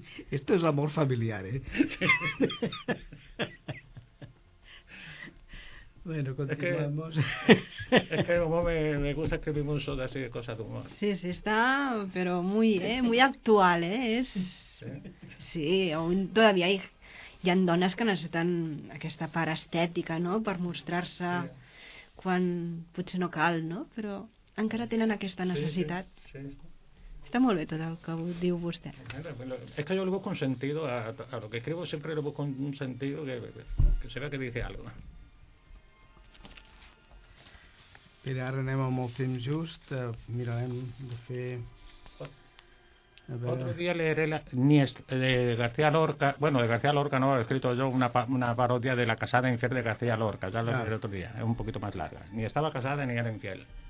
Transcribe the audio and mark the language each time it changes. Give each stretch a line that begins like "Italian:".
Spanish: Esto es amor familiar, ¿eh? Bueno, continuamos. Me gusta escribir mucho de así de cosas de humor. Sí, sí, está, pero muy, muy actual, ¿eh? Es... Sí, aún todavía
Catalan: hi ha dones que necessiten aquesta part estètica, no?, per mostrar-se sí. Quan potser no cal, no?, però encara tenen aquesta necessitat. Sí, sí, sí. Està molt bé tot el que diu vostè.
Spanish: Es que yo lo busco un sentido, a lo que escribo siempre lo busco un sentido que se vea que dice algo.
Catalan: Mira, ara anem amb el temps just, mirarem de fer...
Spanish: Otro día leeré de García Lorca, bueno, de García Lorca no, he escrito yo una parodia de La casada infiel de García Lorca, ya lo leeré otro día, es un poquito más larga. Ni estaba casada ni era infiel.